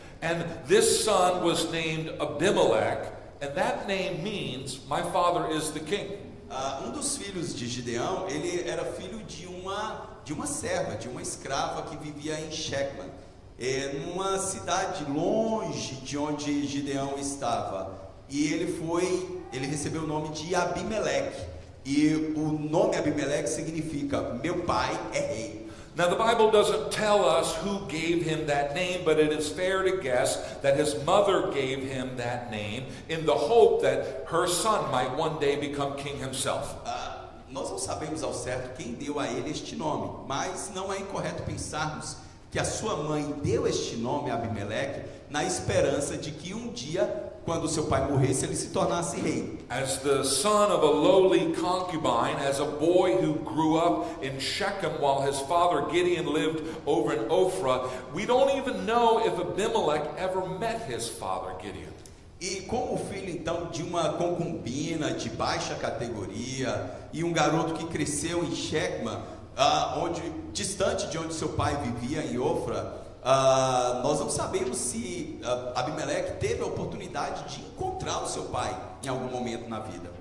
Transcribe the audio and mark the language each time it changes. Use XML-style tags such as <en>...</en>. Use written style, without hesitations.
<en>And this son was named Abimelech, and that name means, my father is the king.</en> <pt>Um dos filhos de Gideão, ele era filho de uma serva, de uma escrava que vivia em Shechem, numa cidade longe de onde Gideão estava. E ele recebeu o nome de Abimelech. E o nome Abimeleque significa meu pai é rei.</pt> <en>Now the Bible doesn't tell us who gave him that name, but it is fair to guess that his mother gave him that name in the hope that her son might one day become king himself.</en> <pt>Nós não sabemos ao certo quem deu a ele este nome, mas não é incorreto pensarmos que a sua mãe deu este nome Abimeleque na esperança de que um dia, quando seu pai morresse, ele se tornasse rei.</pt> <en>As the son of a lowly concubine, as a boy who grew up in Shechem while his father Gideon lived over in Ophrah, we don't even know if Abimelech ever met his father Gideon.</en> <pt>E como filho então de uma concubina de baixa categoria e um garoto que cresceu em Shechem, distante de onde seu pai vivia em Ophrah, nós não sabemos se Abimeleque teve a oportunidade de encontrar o seu pai em algum momento na vida.</pt>